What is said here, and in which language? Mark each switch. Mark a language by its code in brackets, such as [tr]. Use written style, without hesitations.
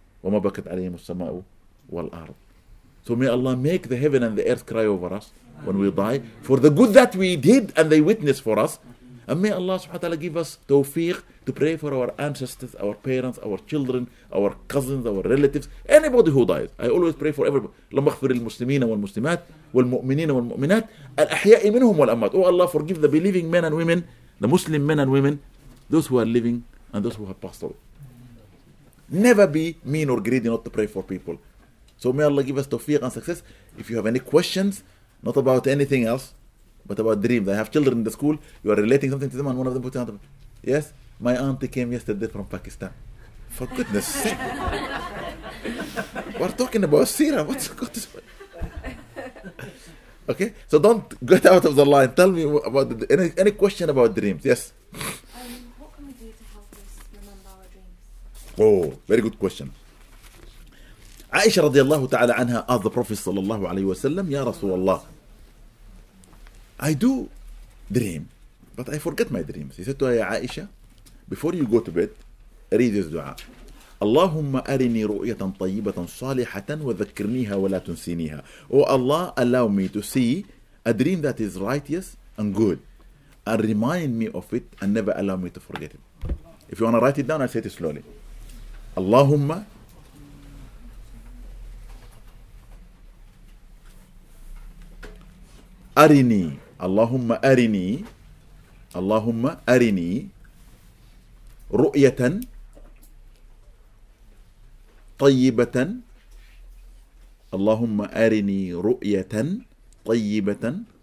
[ar] وَمَا بَكَتْ عَلَيْهِمُ السَّمَاءُ وَالْأَرْضُ. [en] So may Allah make the heaven and the earth cry over us when we die for the good that we did and they witnessed for us. And may Allah subhanahu wa ta'ala give us tawfiq to pray for our ancestors, our parents, our children, our cousins, our relatives, anybody who dies. I always pray for everybody. [ar] اللهم اغفر للمسلمين والمسلمات والمؤمنين والمؤمنات الأحياء منهم والأموات. [en] Oh Allah, forgive the believing men and women, the Muslim men and women, those who are living and those who have passed away. Never be mean or greedy not to pray for people. So may Allah give us tawfiq and success. If you have any questions, not about anything else, but about dreams. I have children in the school. You are relating something to them and one of them puts out, "Yes, my auntie came yesterday from Pakistan." For goodness sake. We're talking about Sira. What's God? Okay? So don't get out of the line. Tell me about any question about dreams. Yes? What can we do to help us remember our dreams? Oh, very good question. Aisha radiallahu ta'ala anha asked the Prophet sallallahu alayhi wa sallam, "Ya Rasulullah, I do dream, but I forget my dreams." He said to her, "Aisha, before you go to bed [ar] أريد الدعاء. اللهم أرني رؤية طيبة صالحة وذكرنيها ولا تنسينيها. [en] Oh Allah, allow me to see a dream that is righteous and good, and remind me of it and never allow me to forget it. If you want to write it down, I'll say it slowly. [ar] اللهم أرني, اللهم أرني, اللهم أرني رؤية طيبة, اللهم أرني رؤية طيبة